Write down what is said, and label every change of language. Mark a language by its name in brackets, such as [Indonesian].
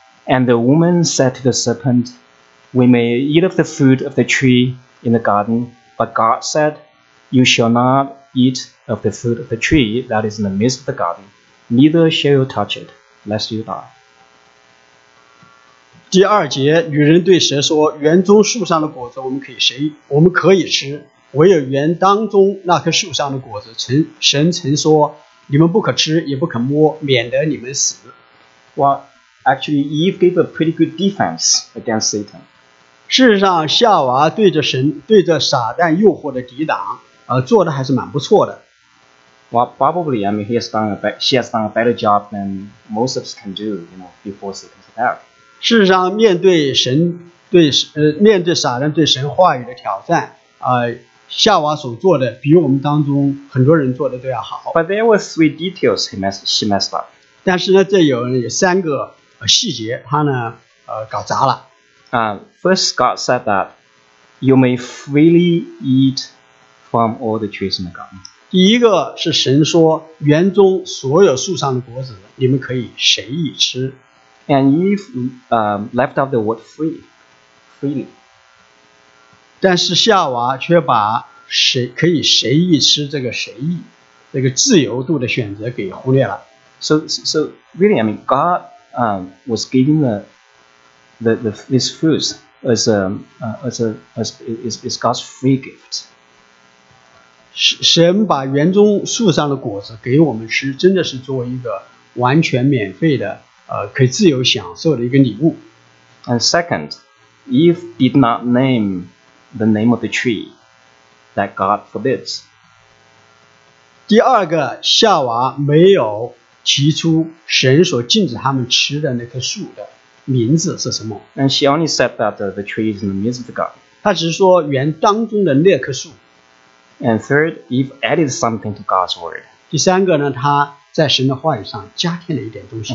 [English] And the woman said to the serpent, "We may eat of the fruit of the tree in the garden, but God said, 'You shall not eat of the fruit of the tree that is in the midst of the garden, neither shall you touch it, lest you die.'" [Chinese] 第二节，女人对蛇说，园中树上的果子我们可以吃，唯有园当中那棵树上的果子，神曾说，你们不可吃，也不可摸，免得你们死。 [English] Well, actually, Eve gave a pretty good defense against Satan. [Chinese] 事实上，夏娃对着撒旦诱惑的抵挡，做的还是蛮不错的。 [English] Well, probably, I mean, she has done a better job than most of us can do, you know, before Satan's attack. [Chinese] 事实上，面对撒旦对神话语的挑战，夏娃所做的比我们当中很多人做的都要好。 [English] But there were three details she messed up. [Chinese] 但是呢，这有三个细节，她呢搞砸了。 [English] First, God said that you may freely eat from all the trees in the garden. [Chinese] 第一个是神说，园中所有树上的果子，你们可以随意吃。 [English] And Eve left out the word freely. [Chinese] 但是夏娃却把可以随意吃这个自由度的选择给忽略了。 [English] So really, I mean, God was giving these fruits as God's free gift. [Chinese] 神把园中树上的果子给我们吃，真的是作为一个完全免费的。可以自由享受的一个礼物。 [English] And second, Eve did not name the name of the tree that God forbids. [Chinese] 第二个，夏娃没有提出神所禁止他们吃的那棵树的名字是什么。 [English] And she only said that the tree is in the midst of the garden. [Chinese] 她只是说园当中的那棵树。 [English] And third, Eve added something to God's word. [Chinese] 第三个呢，她在神的话语上加添了一点东西。